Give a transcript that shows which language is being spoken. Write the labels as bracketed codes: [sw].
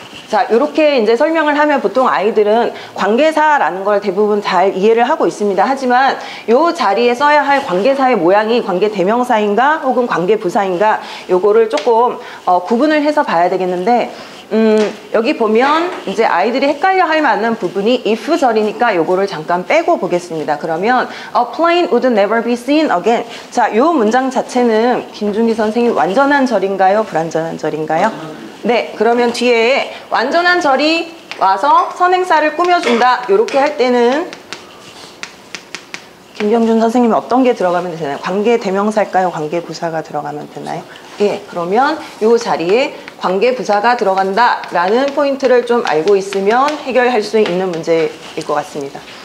[ko] 자, 이렇게 이제 설명을 하면 보통 아이들은 관계사라는 걸 대부분 잘 이해를 하고 있습니다. 하지만 이 자리에 써야 할 관계사의 모양이 관계대명사인가 혹은 관계부사인가 요거를 조금 구분을 해서 봐야 되겠는데 여기 보면 이제 아이들이 헷갈려 할 만한 부분이 if절이니까 요거를 잠깐 빼고 보겠습니다. 그러면 [en] a plane would never be seen again. [ko] 자, 요 문장 자체는 김준기 선생님 완전한 절인가요? 불완전한 절인가요? 네, 그러면 뒤에 완전한 절이 와서 선행사를 꾸며준다 요렇게 할 때는 김병준 선생님 어떤 게 들어가면 되나요? 관계 대명사일까요? 관계 부사가 들어가면 되나요? 예, 그러면 이 자리에 관계 부사가 들어간다라는 포인트를 좀 알고 있으면 해결할 수 있는 문제일 것 같습니다.